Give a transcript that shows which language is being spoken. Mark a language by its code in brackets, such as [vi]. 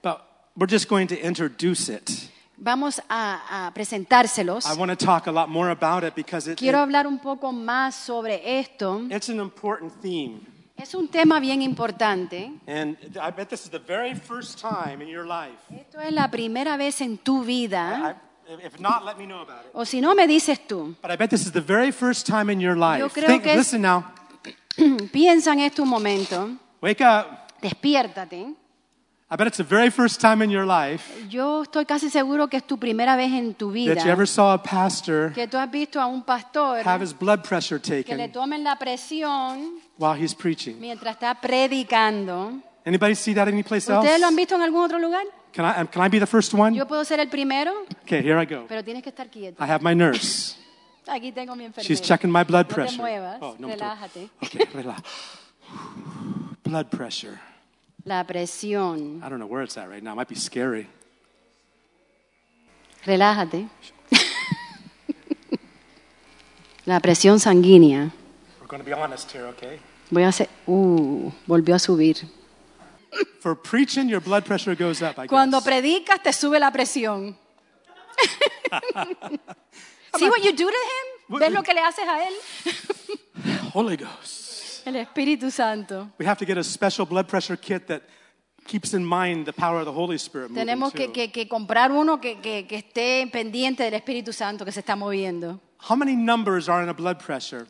[en] But we're just going to introduce it. [es] Vamos a presentárselos. [en] I want to talk a lot more about it because it, [es] quiero hablar un poco más sobre esto. [en] It's an important theme. [es] Es un tema bien importante. [en] And I bet this is the very first time in your life. [es] Esto es la primera vez en tu vida. [en] If not, let me know about it. [es] O si no, me dices tú. [en] But I bet this is the very first time in your life. [es] Yo creo [en] think, [es] que [en] listen now. [es] Piensa en esto un momento. [en] Wake up. [es] Despiértate. [en] I bet it's the very first time in your life. [es] Yo estoy casi seguro que es tu primera vez en tu vida. [en] That you ever saw a pastor. [es] Que tú has visto a un pastor. [en] Have his blood pressure taken. [es] Que le tomen la presión. [en] While he's preaching. [es] Mientras está predicando. [en] Anybody see that anyplace [es] ¿ustedes [en] else? [es] ¿Lo han visto en algún otro lugar? [en] Can I be the first one? [es] Yo puedo ser el primero. [en] Okay, here I go. [es] Pero tienes que estar quieto. [en] I have my nurse. [es] Aquí tengo mi enfermera. [en] She's checking my blood pressure. [es] No te muevas. Oh, no, relájate. [en] Okay, relax. Blood pressure. [es] La presión. [en] I don't know where it's at right now. It might be scary. [es] Relájate. La presión sanguínea. [en] We're going to be honest here, okay? [es] Voy a hacer. Volvió a subir. [en] For preaching, your blood pressure goes up, I guess. [es] Cuando predicas, te sube la presión. [en] See what you do to him? [es] ¿Ves lo que le haces a él? [en] Holy Ghost. [es] El Espíritu Santo. [en] We have to get a special blood pressure kit that keeps in mind the power of the Holy Spirit. [es] Tenemos que comprar uno que esté pendiente del Espíritu Santo que se está moviendo. [en] How many numbers are in a blood pressure?